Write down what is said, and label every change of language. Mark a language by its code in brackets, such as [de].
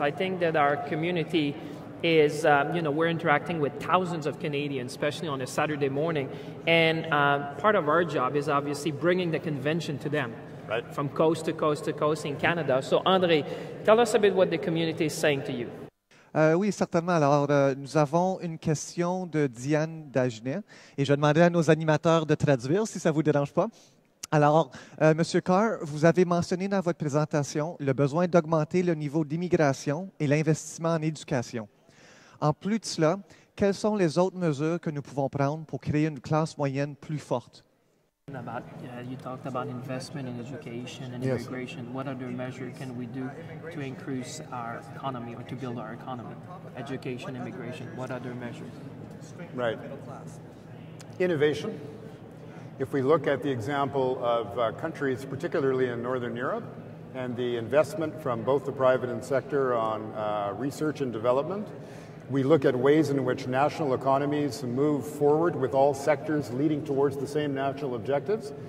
[en] I think that our community is, we're interacting with thousands of Canadians, especially on a Saturday morning, and part of our job is obviously bringing the convention to them. Right. From coast to coast to coast in Canada. So, André, tell us a bit what the community is saying to you. [fr] Oui, certainement. Alors, nous avons une question de Diane Dagenet. Et je vais demander à nos animateurs de traduire, si ça ne vous dérange pas. Alors, M. Carr, vous avez mentionné dans votre présentation le besoin d'augmenter le niveau d'immigration et l'investissement en éducation. En plus de cela, quelles sont les autres mesures que nous pouvons prendre pour créer une classe moyenne plus forte? [en] About, you talked about investment in education and immigration. Yes. What other measure can we do to increase our economy or to build our economy? Education, immigration, what other measures? Right. Innovation. If we look at the example of countries, particularly in Northern Europe, and the investment from both the private and sector on research and development, we look at ways in which national economies move forward with all sectors leading towards the same national objectives.